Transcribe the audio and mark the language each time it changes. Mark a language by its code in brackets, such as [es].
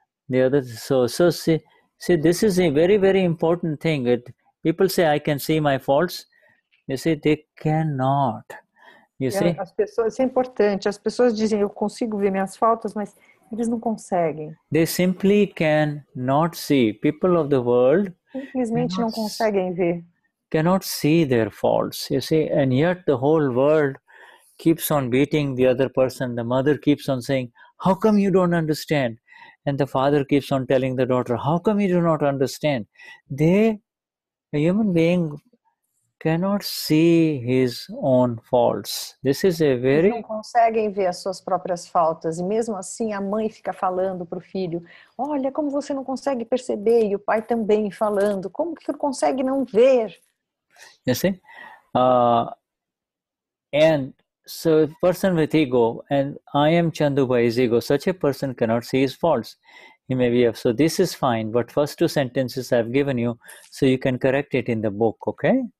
[en] The other so see, this is a very very important thing. People say, I can see my faults. You see, they cannot. You see? [pt] As pessoas, isso é importante. As pessoas dizem, eu consigo ver minhas faltas, mas eles não conseguem. [en] They simply cannot see. People of the world [pt] simplesmente não conseguem ver. [en] Cannot see their faults, you see. And yet the whole world keeps on beating the other person. The mother keeps on saying, how come you don't understand? And the father keeps on telling the daughter, how come you do not understand? They, a human being, cannot see his own faults. This is a very... [pt] Eles não conseguem ver as suas próprias faltas. E mesmo assim, a mãe fica falando para o filho, olha como você não consegue perceber. E o pai também falando, como que ele consegue não ver? [en] You see? And so a person with ego, and I am Chandubha is ego, such a person cannot see his faults. He may be, so this is fine, but first two sentences I've given you, so you can correct it in the book, okay?